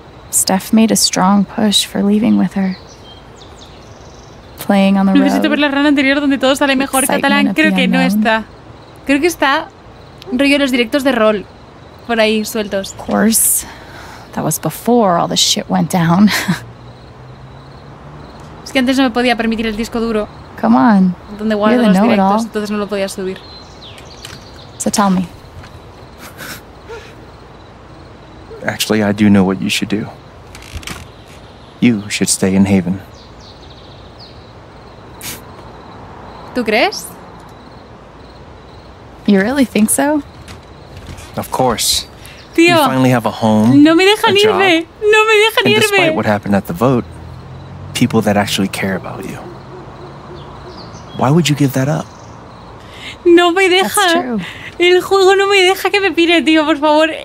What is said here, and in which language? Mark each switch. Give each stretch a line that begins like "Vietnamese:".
English: Steph made a strong push for leaving with her. Playing on the road.
Spanish: Necesito ver la run anterior donde todo sale mejor. Catalán, creo que no está. Creo que está rollo los directos de rol por ahí sueltos.
English: Of course, that was before all the shit went down.
Spanish: Es que antes no me podía permitir el disco duro.
English: Come on.
Spanish: Donde guardo los directos, entonces no lo podía subir.
English: So tell me. Actually, I do know what you should do. You should stay in Haven.
Spanish: ¿Tú crees?
English: You really think so? Of course.
Spanish: Tío,
English: you finally have a home.
Spanish: No me dejan irme. No me dejan irme.
English: Despite what happened at the vote, people that actually care about you. Why would you give that up?
Spanish: No me deja.
English: That's true.
Spanish: El juego no me deja que me pire, tío, por favor.